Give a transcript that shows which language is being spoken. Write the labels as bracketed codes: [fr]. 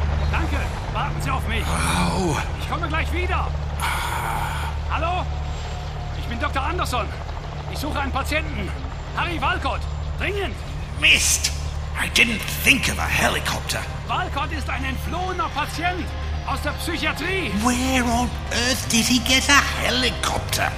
[de] Danke, warten Sie auf mich. Wow. Ich komme gleich wieder. Hallo? Ich bin Dr. Anderson. Ich suche einen Patienten. Harry Walcott, dringend. Mist! [en] I didn't think of a helicopter. [de] Walcott ist ein entflohener Patient aus der Psychiatrie. [en] Where on earth did he get a helicopter?